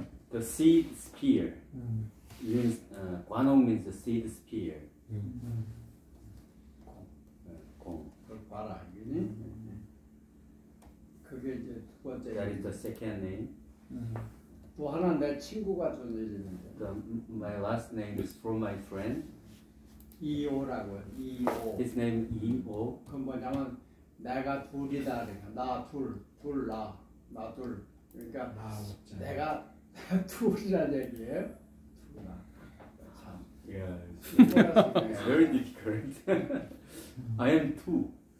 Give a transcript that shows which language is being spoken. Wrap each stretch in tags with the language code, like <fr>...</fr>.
<en>The seed spear. Means 관옥 means the seed spear.</en> <ko>공. 그걸 봐라, 이거니? 그게 이제 두 번째.</ko> <en>That is the second name.</en> <ko>또 하나 내 친구가 전해주는데.</ko> <en>The my last name is from my friend.</en> <ko>E.O.라고요. E.O.</ko> <en>His name E.O.</en> <ko>그건 뭐냐면 내가 둘이다. 그러니까 나 둘, 둘 나, 나 둘. 그러니까 아, 내가 둘이라는 얘기예요.</ko> <en>참. Yeah. It's very difficult. I am two.</en>